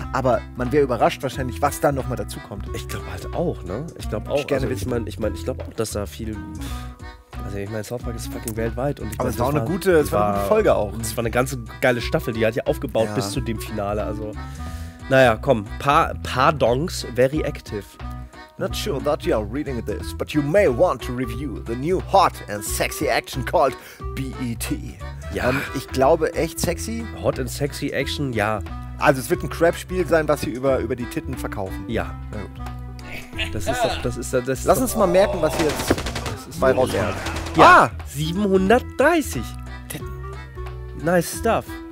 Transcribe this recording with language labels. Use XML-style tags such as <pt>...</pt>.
<de>Aber man wäre überrascht wahrscheinlich, was dann nochmal dazukommt. Ich glaube halt auch, ne? Ich glaube auch. Ich glaube auch, dass da viel. Also ich meine, South Park ist fucking weltweit. Es war eine gute Folge auch. Es war eine ganze geile Staffel, die hat ja aufgebaut bis zu dem Finale. Also, naja, komm. Paar Dongs,</de> <en>very active. Not sure that you are reading this, but you may want to review the new hot and sexy action called BET.</en> <de>Ja. Ich glaube, echt sexy.</de> <en>Hot and sexy action, ja.</en> <de>Also es wird ein Crap-Spiel sein, was sie über die Titten verkaufen. Ja. Na gut. Das ist doch... Lass uns mal merken, was hier jetzt bei rauskommt. Ja, 730. Titten.</de> <en>Nice stuff.</en>